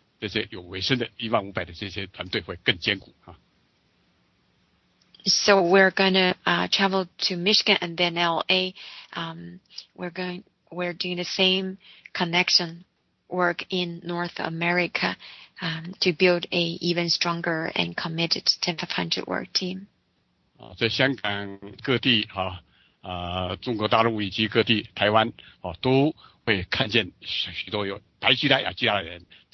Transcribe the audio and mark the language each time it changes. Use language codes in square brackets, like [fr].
[zh] 这些有尾声的1500的这些团队会更坚固啊。 [en] So we're gonna travel to Michigan and then LA. We're doing the same connection work in North America to build a even stronger and committed 10500 work team. [zh] 在香港各地啊，中国大陆以及各地台湾啊，都会看见许多有白吉拉雅吉拉的人。